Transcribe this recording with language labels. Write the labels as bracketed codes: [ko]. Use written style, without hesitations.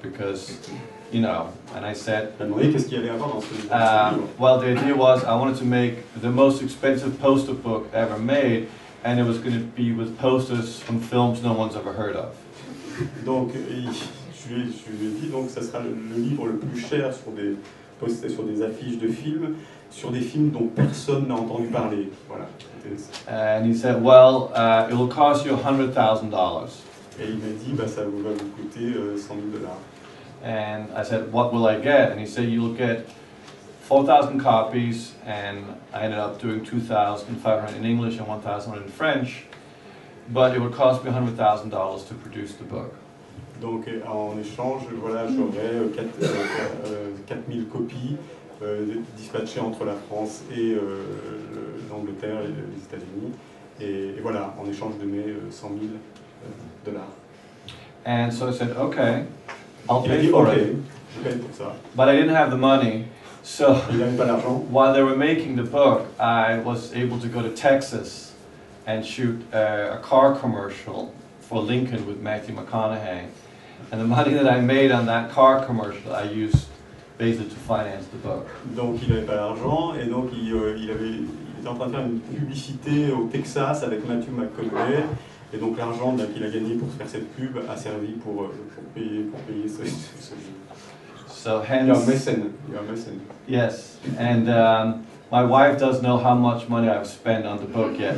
[en] Because, you know, and I said, well, the idea was I wanted to make the most expensive poster book ever made, and it was going to be with posters from films no one's ever heard of. [fr] Donc, je lui ai dit, donc ça sera le livre le plus cher sur des affiches de films, sur des films dont personne n'a entendu parler. Voilà. [en] And he said, well, it will cost you $100,000. [fr] Et il m'a dit, ça va vous coûter 100 000 dollars. [en] And I said, what will I get? And he said, you'll get 4,000 copies. And I ended up doing 2,500 in English and 1,000 in French. But it would cost me $100,000 to produce the book. [fr] Donc en échange, voilà, j'aurais 4,000 copies dispatchées entre la France et l'Angleterre et les États-Unis. Et voilà, en échange de mes 100 000 dollars. [en] And so I said, okay, I'll pay for it. But I didn't have the money, so while they were making the book, I was able to go to Texas and shoot a car commercial for Lincoln with Matthew McConaughey. And the money that I made on that car commercial, I used basically to finance the book. [fr] Donc il n'avait pas l'argent, et donc il était en train de faire une publicité au Texas avec Matthew McConaughey. Et donc l'argent qu'il a gagné pour faire cette pub a servi pour payer ce jeu. [en] So hence, you're missing. Yes, and my wife does know how much money I've spent on the book yet.